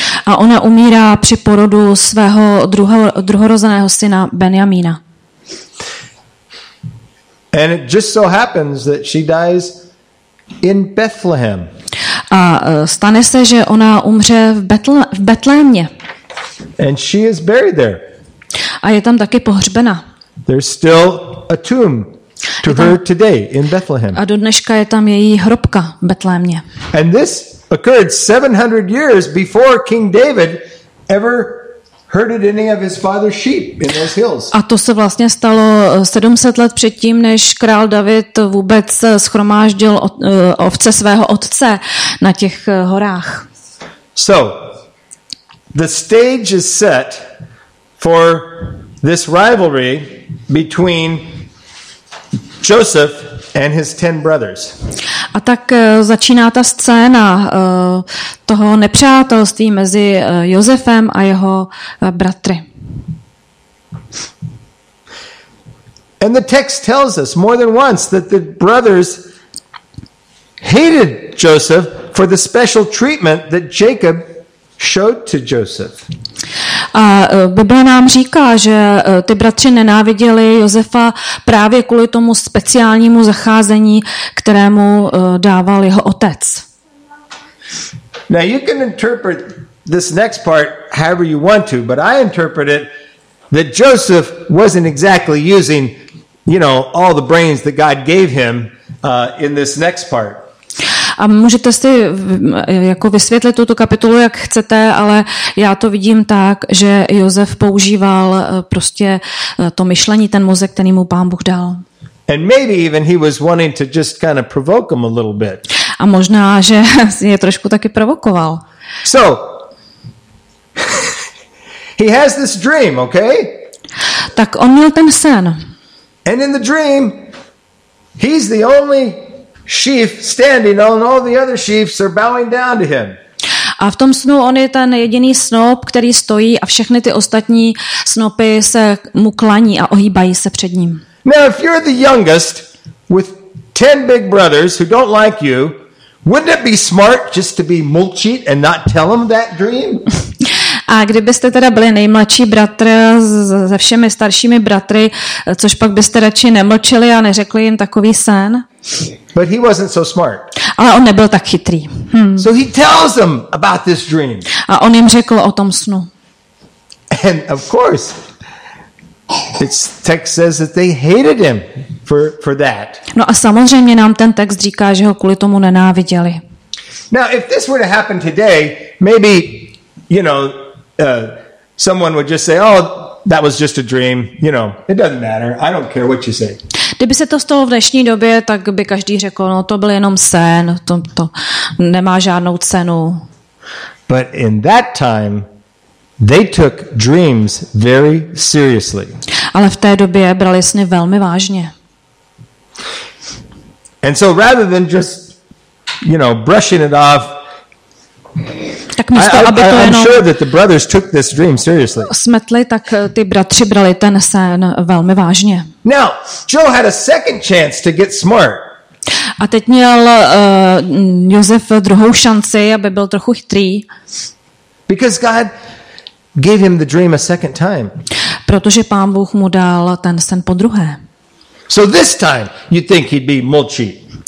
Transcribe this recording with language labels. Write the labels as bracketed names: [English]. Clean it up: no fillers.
[Czech] A ona umírá při porodu svého druhorozeného syna Benjamína. [English] And it just so happens that she dies in Bethlehem. [Czech] A stane se, že ona umře v Betlémě. [English] And she is buried there. [Czech] A je tam taky pohřbena. [English] There's still a tomb to her today in Bethlehem. [Czech] A do dneška je tam její hrobka v Betlémě. [English] And this occurred 700 years before King David ever herded any of his father's sheep in those hills. [Czech] A to se vlastně stalo 700 let předtím, než král David vůbec shromáždil ovce svého otce na těch horách. [English] So, the stage is set for this rivalry between Joseph and his 10 brothers. [Czech] A tak začíná ta scéna toho nepřátelství mezi Josefem a jeho bratry. [English] And the text tells us more than once that the brothers hated Joseph for the special treatment that Jacob showed to Joseph. [Czech] A Bible nám říká, že ty bratři nenáviděli Josefa právě kvůli tomu speciálnímu zacházení, kterému dával jeho otec. [English] Now you can interpret this next part however you want to, but I interpret it that Joseph wasn't exactly using, you know, all the brains that God gave him in this next part. [Czech] A můžete si jako vysvětlit tuto kapitolu, jak chcete, ale já to vidím tak, že Josef používal prostě to myšlení, ten mozek, který mu Pán Bůh dal. [English] And maybe even he was wanting to just kind of provoke him a little bit. [Czech] A možná, že je trošku taky provokoval. [English] So, he has this dream, okay? [Czech] Tak on měl ten sen. [English] And in the dream, he's the only sheep standing on all the other sheep are bowing down to him. [Czech] A v tom snu on je ten jediný snop, který stojí a všechny ty ostatní snopy se mu klaní a ohýbají se před ním. [English] Now if you're the youngest with 10 big brothers who don't like you, wouldn't it be smart just to be mulchit and not tell them that dream? [Czech] A kdybyste teda byli nejmladší bratr se všemi staršími bratry, což pak byste radši nemlčili a neřekli jim takový sen? [English] But he wasn't so smart. [Czech] Ale on nebyl tak chytrý. [English] So he tells them about this dream. [Czech] A on jim řekl o tom snu. [English] And of course, it's text says that they hated him for that. [Czech] No a samozřejmě nám ten text říká, že ho kvůli tomu nenáviděli. [English] Now if this were to happen today, maybe, you know, someone would just say, "Oh, that was just a dream. You know, it doesn't matter. I don't care what you say." [Czech] Kdyby se to stalo v dnešní době, tak by každý řekl, no to byl jenom sen, to nemá žádnou cenu. [English] But in that time, they took dreams very seriously. [Czech] Ale v té době brali sny velmi vážně. [English] And so rather than just, you know, brushing it off, [Czech] tak místo, [English] I'm sure that the brothers took this dream seriously. [Czech] Smetli, tak ty bratři brali ten sen velmi vážně. [English] Now, Joe had a second chance to get smart. [Czech] A teď měl Josef druhou šanci, aby byl trochu chytrý. [English] Because God gave him the dream a second time. [Czech] Protože Pán Bůh mu dal ten sen po druhé. [English] So this time you think he'd be mulchy.